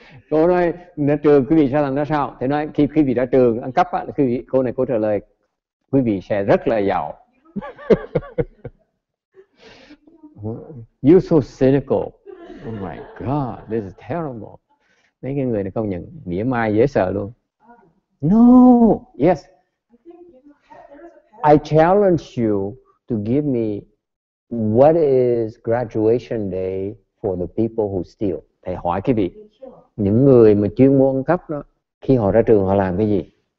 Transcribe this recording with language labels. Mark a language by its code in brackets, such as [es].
[vi] Cô nói, ra trường quý vị sẽ làm ra sao? Thế nói, khi quý vị ra trường ăn cắp, quý vị, cô này cô trả lời, quý vị sẽ rất là giàu. [en] You're so cynical. Oh my God, this is terrible. [vi] Mấy cái người này công nhận mỉa mai dễ sợ luôn. [en] No, yes. I challenge you to give me what is graduation day for the people who steal. [vi] Thầy hỏi quý vị, những người mà chuyên môn cấp đó, khi họ ra trường họ làm cái gì?